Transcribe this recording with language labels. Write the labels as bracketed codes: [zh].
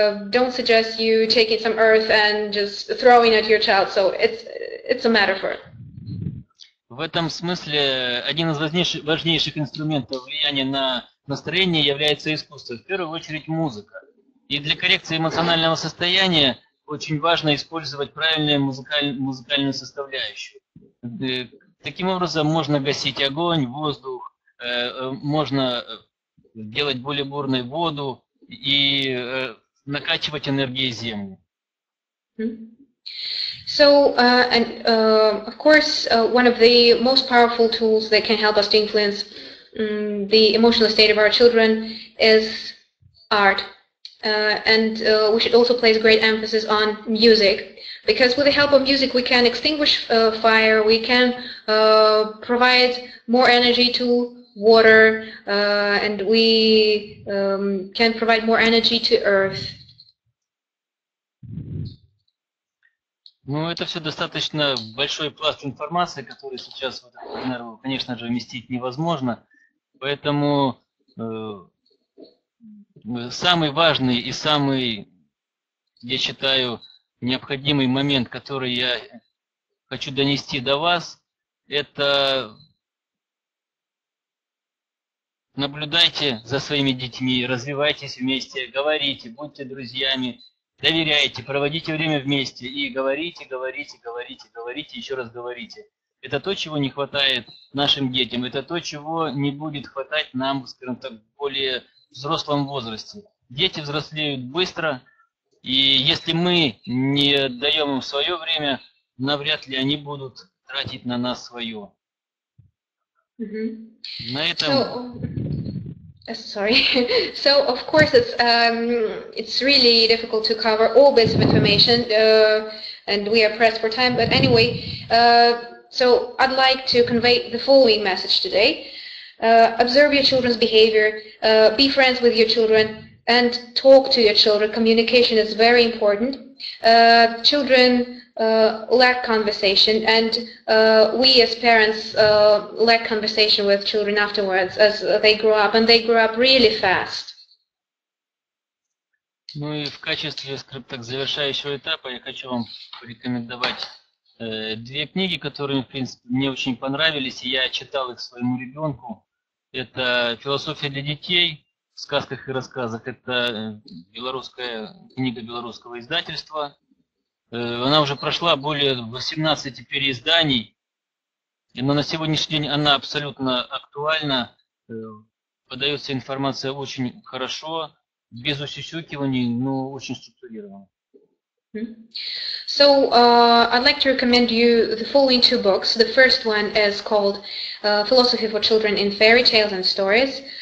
[en] Don't suggest you taking some earth and just throwing at your child. So it's a metaphor. [ru] В этом смысле один из важнейших инструментов влияния на настроение является искусство. В первую очередь музыка. И для коррекции эмоционального состояния очень важно использовать правильную музыкальную составляющую. Таким образом, можно гасить огонь, воздух, можно делать более бурную воду и накачивать энергией землю. So, and of course, one of the most powerful tools that can help us to influence the emotional state of our children is art. And we should also place great emphasis on music, because with the help of music we can extinguish fire, we can provide more energy to water, and we can provide more energy to earth. Ну, это все достаточно большой пласт информации, который сейчас, конечно же, вместить невозможно. Поэтому самый важный и самый, я считаю, необходимый момент, который я хочу донести до вас, это наблюдайте за своими детьми, развивайтесь вместе, говорите, будьте друзьями. Доверяйте, проводите время вместе и говорите, говорите, говорите, говорите, еще раз говорите. Это то, чего не хватает нашим детям, это то, чего не будет хватать нам, скажем так, в более взрослом возрасте. Дети взрослеют быстро, и если мы не даем им свое время, навряд ли они будут тратить на нас свое. Mm-hmm. На этом... [en] Sorry. So, of course, it's really difficult to cover all bits of information, and we are pressed for time. But anyway, so I'd like to convey the following message today. Observe your children's behavior, be friends with your children, and talk to your children. Communication is very important. Children lack conversation, and we as parents lack conversation with children afterwards as they grow up, and they grow up really fast. [ru] Ну и в качестве, скажем так, завершающего этапа я хочу вам порекомендовать две книги, которые, в принципе, мне очень понравились, и я читал их своему ребенку. Это «Философия для детей» в сказках и рассказах. Это белорусская книга белорусского издательства. Она уже прошла более 18 переизданий, но на сегодняшний день она абсолютно актуальна, подается информация очень хорошо, без усюсюкиваний, но очень структурирована. [en] So, I'd like to recommend you the following two books. The first one is called Philosophy for Children in Fairy Tales and Stories.